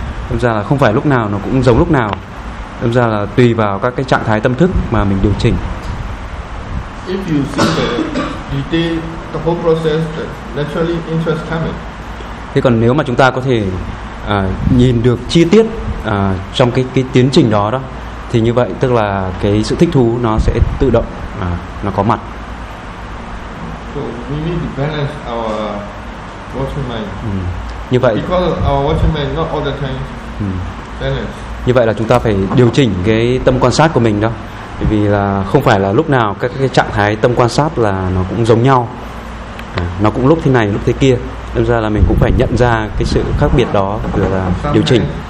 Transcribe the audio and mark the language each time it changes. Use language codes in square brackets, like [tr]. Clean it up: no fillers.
[vi] Thật ra là không phải lúc nào nó cũng giống lúc nào. Thật ra là tùy vào các cái trạng thái tâm thức mà mình điều chỉnh. [en] If you see the detail, the whole process, naturally interest coming. [vi] Thế còn nếu mà chúng ta có thể nhìn được chi tiết trong cái tiến trình đó đó, thì như vậy tức là cái sự thích thú nó sẽ tự động nó có mặt. [en] So we need to balance our watching mind. [vi] Như vậy, [en] because our watching mind not all the time balance. [vi] Như vậy là chúng ta phải điều chỉnh cái tâm quan sát của mình đó, bởi vì là không phải là lúc nào các cái trạng thái tâm quan sát là nó cũng giống nhau, nó cũng lúc thế này lúc thế kia, đâm ra là mình cũng phải nhận ra cái sự khác biệt đó rồi là điều chỉnh.